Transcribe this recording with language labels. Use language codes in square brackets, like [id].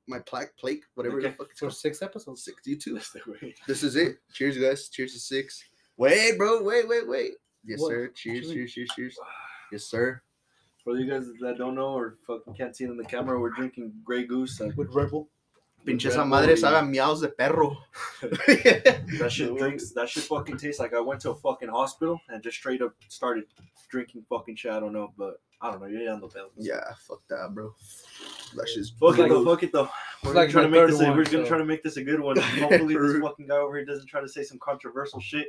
[en] My plaque, plaque, whatever the fuck it's called. For six episodes. 62. That's the way. This is it. Cheers, guys. Cheers to six. Wait, bro. Wait. Yes, sir. Cheers. Yes, sir. For you guys that don't know or fucking can't see it in the camera, we're drinking Grey Goose. With Red Bull. [es] Pinches a madre sabe a miados de perro. [en] That shit fucking tastes like I went to a fucking hospital and just straight up started drinking fucking shit. I don't know. You're on the belt. Yeah, fuck that, bro. That shit's Fuck it, though. We're going to try to make this a good one. Hopefully this fucking guy over here doesn't try to say some controversial shit.